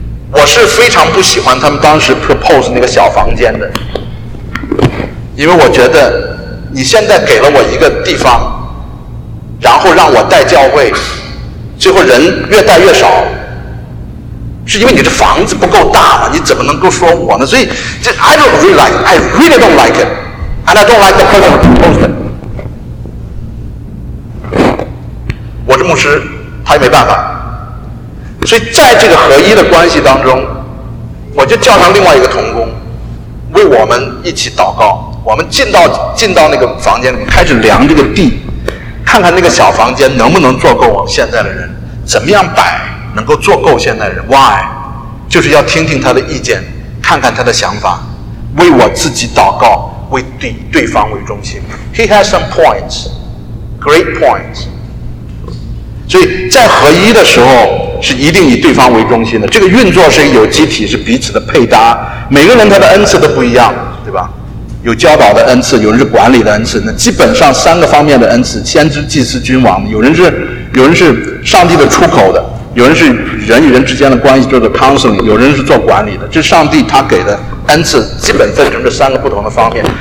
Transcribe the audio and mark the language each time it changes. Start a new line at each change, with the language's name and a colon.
Chinese: 我是非常不喜欢他们当时 propose 那个小房间的，因为我觉得你现在给了我一个地方，然后让我带教会，最后人越带越少，是因为你这房子不够大嘛？你怎么能够说我呢？所以这
English: I don't really like it, I really don't like it, and I don't like the person who proposed it。
Chinese: 我是牧师，他也没办法。所以在这个合一的关系当中，我就叫上另外一个同工为我们一起祷告。我们进到那个房间里面，开始量这个地，看看那个小房间能不能坐够我们现在的人，怎么样摆能够坐够现在的人。
English: Why?
Chinese: 就是要听听他的意见，看看他的想法，为我自己祷告，为 对方为中心。
English: He has some points, great points。
Chinese: 所以在合一的时候是一定以对方为中心的，这个运作是有机体，是彼此的配搭，每个人他的恩赐都不一样，对吧？有教导的恩赐，有人是管理的恩赐，那基本上三个方面的恩赐，先知、祭司、君王，有人是上帝的出口的，有人是人与人之间的关系，就是 counseling， 有人是做管理的，这是上帝他给的恩赐，基本分成这三个不同的方面。